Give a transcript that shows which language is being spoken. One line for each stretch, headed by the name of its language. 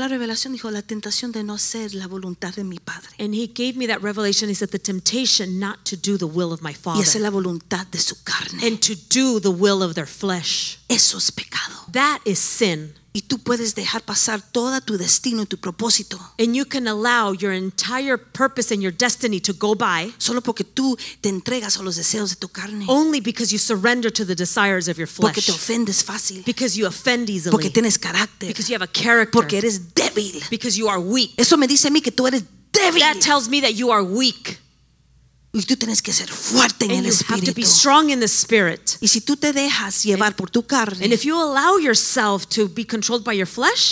Spanish: La revelación, dijo, la tentación de no hacer la voluntad de mi padre.
English: And he gave me that revelation. He said, the temptation not to do the will of my father.
Spanish: Y hacer la voluntad de su carne.
English: And to do the will of their flesh.
Spanish: Eso es pecado.
English: That is sin.
Spanish: Y tú puedes dejar pasar todo tu destino y tu propósito.
English: And you can allow your entire purpose and your destiny to go by.
Spanish: Solo porque tú te entregas a los deseos de tu carne.
English: Only because you surrender to the desires of your flesh.
Spanish: Porque te ofendes fácil.
English: Because you offend easily.
Spanish: Porque tienes carácter.
English: Because you have a character.
Spanish: Porque eres débil.
English: Because you are weak.
Spanish: Eso me dice a mí que tú eres débil.
English: That tells me that you are weak.
Spanish: Y tú tienes que ser fuerte
English: and
Spanish: en el espíritu.
English: You have to be strong in the spirit.
Spanish: Y si tú te dejas llevar por tu carne,
English: and if you allow yourself to be controlled by your flesh,